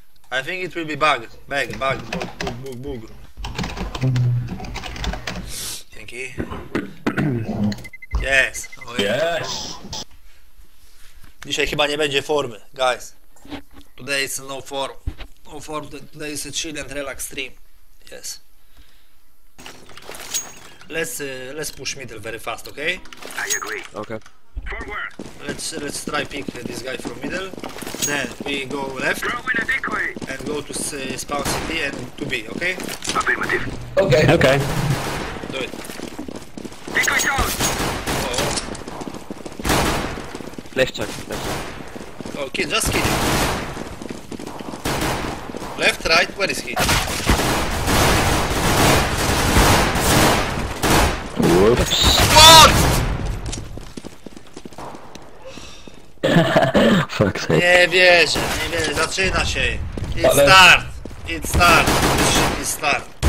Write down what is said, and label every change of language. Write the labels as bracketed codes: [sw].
[en] I think it will be bug. Bag, bug. Bug, bug, bug, bug. Thank you. Yes. Okay. Yes. [pl] Dzisiaj chyba nie będzie formy, guys. [en] Today is no form. No form, today is a chill and relax stream. Yes. Let's push middle very fast, okay? I agree. Okay. Forward. Let's try pick this guy from middle. Then we go left. Throw in a decoy. And go to spawn CT and to B, okay? Affirmative. Okay. Okay. Do it. Decoy shot. Left side, left side. Okay, just kill him. Left, right, where is he? Whoops. What? Fuck sake. [pl] Nie wierzę, nie wierzę, zaczyna się. [en] It's start, it's start, this shit is start.